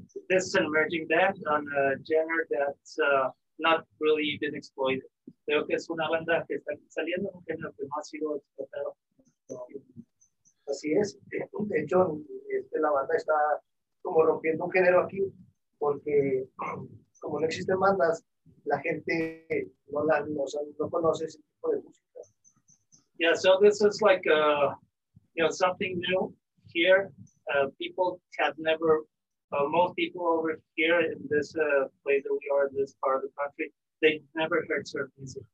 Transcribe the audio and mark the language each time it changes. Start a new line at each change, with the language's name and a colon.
English: This is an emerging band on a genre that's not really been exploited.
Spanish: Creo que es una banda que está saliendo un género que no ha sido explotado. Así es. De hecho, la banda está como rompiendo un género aquí, porque como no existen bandas, la gente no conoce ese tipo de música.
English: Yeah, so this is like something new here. People have never, most people over here in this place that we are in this part of the country, they never heard surf music.